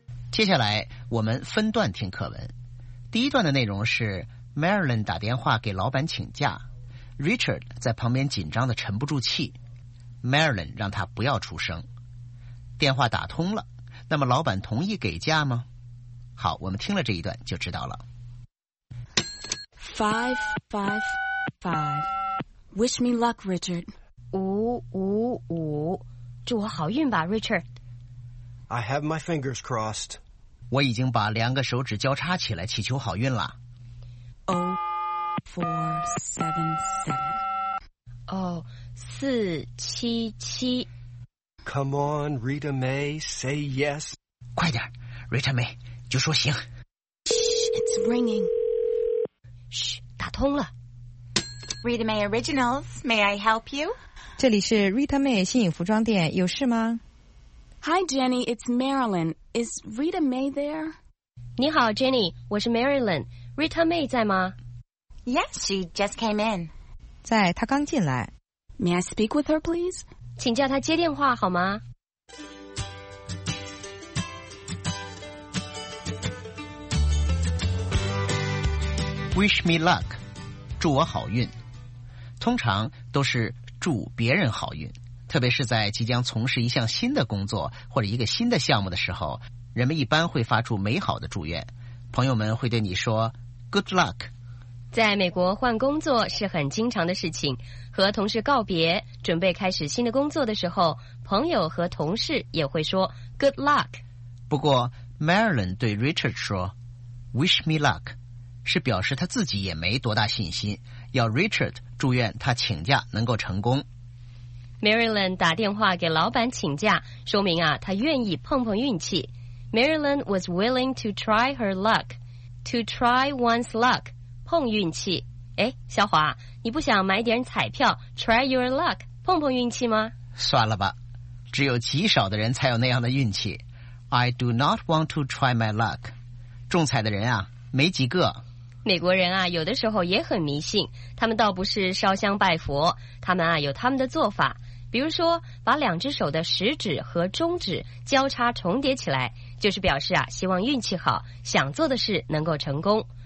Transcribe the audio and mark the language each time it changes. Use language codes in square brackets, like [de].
[zh] 接下来我们分段听课文。第一段的内容是 Marilyn 打电话给老板请假， Richard 在旁边紧张的沉不住气， Marilyn 让他不要出声。电话打通了，那么老板同意给价吗？好，我们听了这一段就知道了。 [en] Five, five, five. Wish me luck, Richard. [zh] 五五五，祝我好运吧 ，Richard. [en] I have my fingers crossed. [zh] 我已经把两个手指交叉起来祈求好运了。 [en] O, four, seven, seven. [zh] 哦，四七七。 [en] Come on, Rita May, say yes. [zh] 快点 ，Rita May， 就说行。 [en] Shh, it's ringing. [zh] 嘘，打通了。 [en] Rita May Originals, may I help you? [zh] 这里是 Rita May 新颖服装店，有事吗 [en] ？Hi, Jenny, it's Marilyn. Is Rita May there? [zh] 你好 ，Jenny， 我是 Marilyn. Rita May 在吗 [en] ？Yes, she just came in. [zh] 在，她刚进来。 [en] May I speak with her, please? [zh] 请叫他接电话好吗？ [en] Wish me luck， [zh] 祝我好运。通常都是祝别人好运，特别是在即将从事一项新的工作或者一个新的项目的时候，人们一般会发出美好的祝愿。朋友们会对你说 [en] "Good luck"。 [zh] 在美国换工作是很经常的事情，和同事告别准备开始新的工作的时候，朋友和同事也会说 [en] good luck。 [zh] 不过 Marilyn 对 Richard 说 [en] wish me luck， [zh] 是表示他自己也没多大信心，要 Richard 祝愿他请假能够成功。 Marilyn 打电话给老板请假，说明啊他愿意碰碰运气。 [en] Marilyn was willing to try her luck. To try one's luck， [zh] 碰运气。哎，小华，你不想买点彩票 [en] try your luck [zh] 碰碰运气吗？算了吧，只有极少的人才有那样的运气。 [en] I do not want to try my luck。 [zh] 中彩的人啊没几个。美国人啊有的时候也很迷信，他们倒不是烧香拜佛，他们啊有他们的做法，比如说把两只手的食指和中指交叉重叠起来，就是表示啊希望运气好，想做的事能够成功。